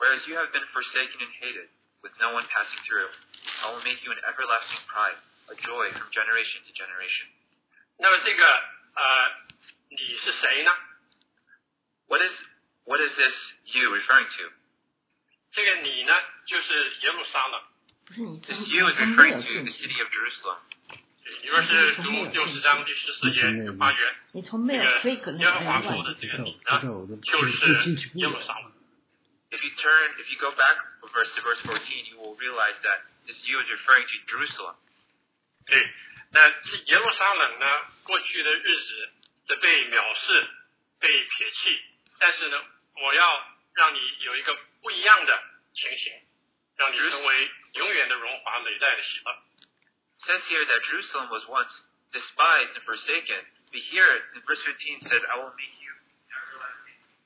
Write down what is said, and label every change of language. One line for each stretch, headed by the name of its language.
English: Whereas you have been forsaken and hated, with no one passing through, I will make you an everlasting pride, a joy from generation to generation.
Chinese: 那么这个你是谁呢？
English: What is this you referring to?
Chinese: 这个你呢，就是耶路撒冷。
English: This you is referring to the city of Jerusalem.
Chinese: 你们是主六十章第十四节就发觉，这个耶和华说的这个你呢，就是耶路撒冷。
English: If you go back verse to verse 14, you will realize that this you is referring to Jerusalem.
Chinese: 对，那这耶路撒冷呢，过去的日子是被藐视、被撇弃，但是呢，我要让你有一个不一样的情形，让你成为永远的荣华、累代的喜乐。
English: Says here that Jerusalem was once despised and forsaken, but here in verse 15 says, I will make you everlasting.